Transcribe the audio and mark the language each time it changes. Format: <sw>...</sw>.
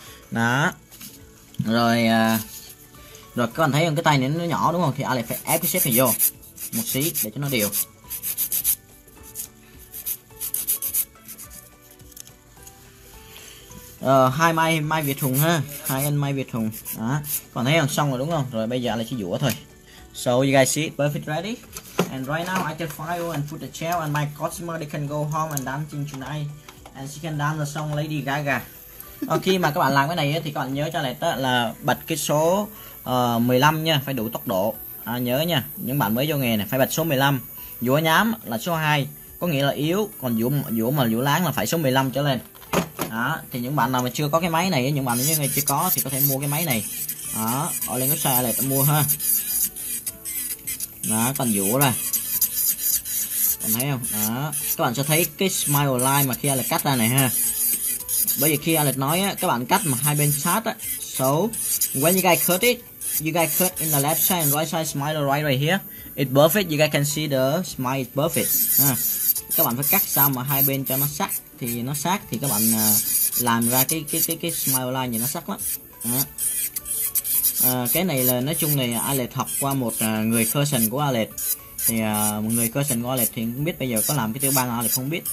<vi>Đó rồi, rồi các bạn thấy không, cái tay này nó nhỏ đúng không, thì Alex phải ép cái xếp này vô một xí để cho nó đều. Hai Mai Việt Hùng ha, hai anh Mai Việt Hùng. Đó, còn thấy không, xong rồi đúng không? Rồi bây giờ là chỉ dũa thôi.</vi> <en>So you guys see it perfect ready. And right now I can file and put the chair and my customer they can go home and dancing tonight. And she can dance the song Lady Gaga.</en> <vi>Khi mà các bạn làm cái này thì các bạn nhớ cho lại đó là bật cái số 15 nha, phải đủ tốc độ. À, nhớ nha, những bạn mới vô nghề này phải bật số 15. Dũa nhám là số 2, có nghĩa là yếu, còn dũa mà dũa láng là phải số 15 trở lên. Đó, thì những bạn nào mà chưa có cái máy này, những bạn như này chưa có thì có thể mua cái máy này. Đó, ở lên website này ta mua ha. Đó, còn dũa ra. Còn thấy không? Đó, các bạn sẽ thấy cái smile line mà khi Alex cắt ra này ha. Bởi vì khi Alex nói á, các bạn cắt mà hai bên sát á.</vi> <en>So, when you guys cut in the left side and right side smile right here. It's perfect, you guys can see the smile is perfect. Ha.</en> <vi>Các bạn phải cắt sao mà hai bên cho nó sát. Thì nó sát thì các bạn làm ra cái smile line thì nó sắc lắm. Cái này là nói chung này Alex học qua một người cousin của Alex. Thì một người cousin của Alex thì cũng biết bây giờ có làm cái tiêu bang Alex không biết.</vi>